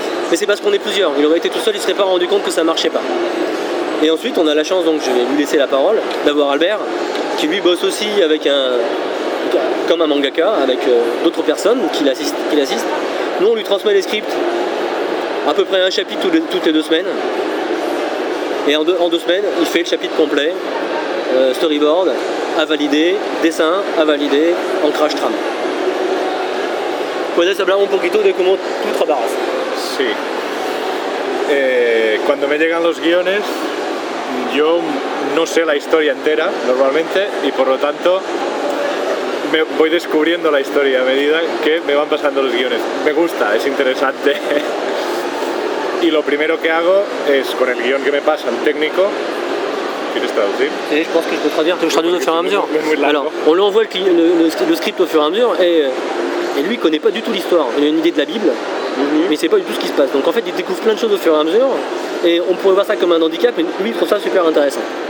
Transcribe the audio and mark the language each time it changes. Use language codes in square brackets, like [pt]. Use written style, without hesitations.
[fr] Mais c'est parce qu'on est plusieurs, il aurait été tout seul, il ne serait pas rendu compte que ça ne marchait pas. Et ensuite, on a la chance, donc je vais lui laisser la parole, d'avoir Albert, qui lui bosse aussi avec comme un mangaka, avec d'autres personnes qui l'assistent. Nous, on lui transmet les scripts, à peu près un chapitre toutes les 2 semaines, et en deux semaines, il fait le chapitre complet, storyboard, à valider, dessin, à valider, ancrage tram. [es] Puedes hablar un poquito de cómo tú trabajas? Sí. Cuando me llegan los guiones, yo no sé la historia entera, normalmente, y por lo tanto, me voy descubriendo la historia a medida que me van pasando los guiones. Me gusta, es interesante. Y lo primero que hago es, con el guión que me pasa el técnico, [fr] et je pense que je peux traduire, au fur et à mesure. Alors, on lui envoie le script au fur et à mesure, et lui, il connaît pas du tout l'histoire. Il a une idée de la Bible, mais c'est pas du tout ce qui se passe. Donc en fait, il découvre plein de choses au fur et à mesure, et on pourrait voir ça comme un handicap, mais lui, il trouve ça super intéressant.